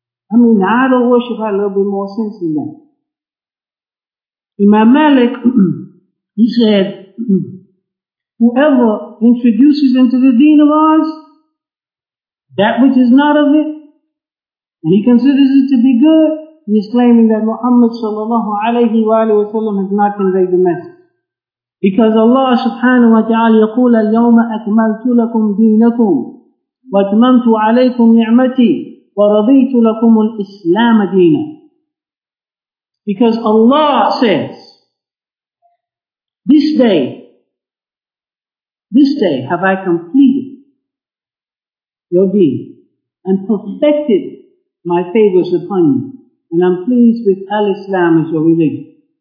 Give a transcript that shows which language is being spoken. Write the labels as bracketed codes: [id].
[en] I mean, the idol worship had a little bit more sense than that. Imam Malik, he said, whoever introduces into the deen of ours that which is not of it, and he considers it to be good, he is claiming that Muhammad sallallahu alayhi wa alayhi wa sallam has not conveyed the message. Because Allah subhanahu wa ta'ala [ar] يقول اليوم أكملت لكم دينكم وأتممت عليكم نعمتي ورضيت لكم الإسلام دينا. [en] Because Allah says, this day have I completed your deen and perfected my favors upon you, and I'm pleased with Al-Islam as your religion.